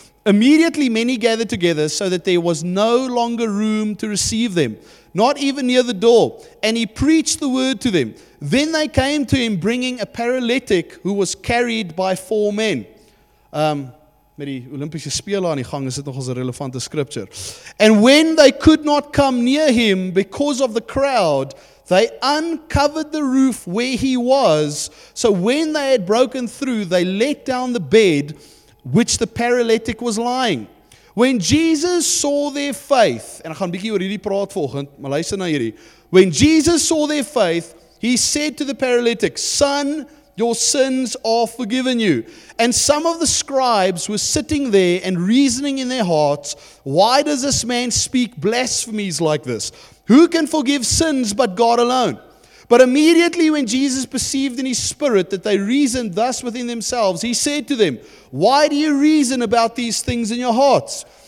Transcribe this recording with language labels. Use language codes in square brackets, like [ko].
[en] Immediately many gathered together so that there was no longer room to receive them, not even near the door, and he preached the word to them. Then they came to him bringing a paralytic who was carried by four men. [af] Met die Olympiese spele aan die gang is dit nog 'n relevante scripture. [en] And when they could not come near him because of the crowd, they uncovered the roof where he was, so when they had broken through, they let down the bed which the paralytic was lying. When Jesus saw their faith, [af] en ek gaan 'n bietjie oor hierdie praat volgend, maar luister na hierdie. [en] When Jesus saw their faith, he said to the paralytic, son, your sins are forgiven you. And some of the scribes were sitting there and reasoning in their hearts, why does this man speak blasphemies like this? Who can forgive sins but God alone? But immediately when Jesus perceived in his spirit that they reasoned thus within themselves, he said to them, why do you reason about these things in your hearts?